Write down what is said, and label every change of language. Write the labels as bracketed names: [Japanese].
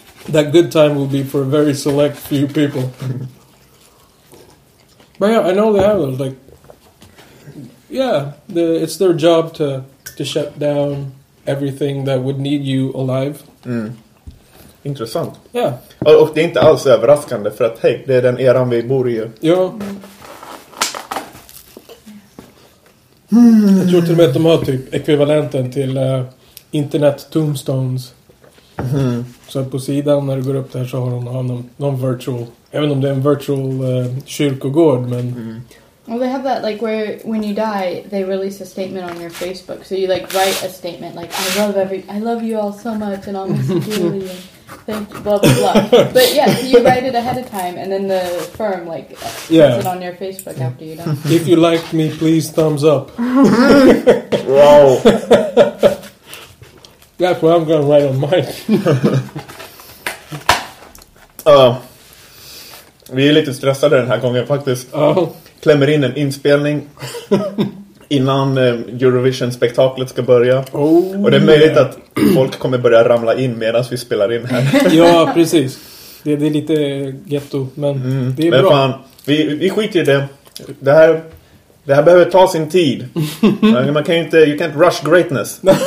[English] That good time will be for a very select few people. But yeah, I know they have those. Like, yeah, it's their job to shut down everything that would need you alive. [Swedish] Intressant. [English] Yeah. [Swedish] Och det är inte alls överraskande för att hej, det är den eran vi bor i. Ja. Jag tror till och med att de har typ ekvivalenten till... internet tombstones. Så på sidan när du går upp där så har de någon virtual Även om det är en virtual kyrkogård, men... Mm. [English] Well, they have that, like, where when you die, they release a statement on your Facebook. So you, like, write a statement, like, I love you all so much, and I'll miss you dearly, and thank you, blah, blah, blah. But, yeah, so you write it ahead of time, and then the firm, like, puts it on your Facebook after you die. If you like me, please thumbs up. Wow. That's what I'm gonna write on mine. [Swedish] Vi är lite stressade den här gången faktiskt. Klämmer in en inspelning innan Eurovision-spektaklet ska börja. Och det är möjligt att folk kommer börja ramla in medan vi spelar in här. Ja, precis. Det är lite ghetto, men det är men bra. Fan, vi skiter i det. Det här behöver ta sin tid. Man kan ju inte, [English] you can't rush greatness.